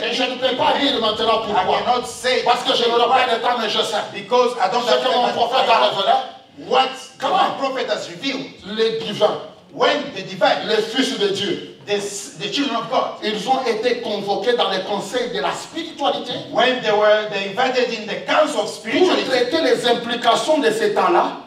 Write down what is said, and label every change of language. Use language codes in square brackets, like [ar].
[fr] Et je ne peux pas dire maintenant pourquoi. [en] I cannot say [fr] parce que je ne l'aurai pas le temps, mais je sais. [en] Because I don't have [fr] ce que mon prophète a révélé. [en] What the prophet has revealed. [fr] Les divins. [en] When the divine, [fr] les fils de Dieu, [en] the children of God, [fr] ils ont été convoqués dans le conseil de la spiritualité. [en] When they were invited in the council of spirituality, [fr] pour traiter les implications de ces temps-là,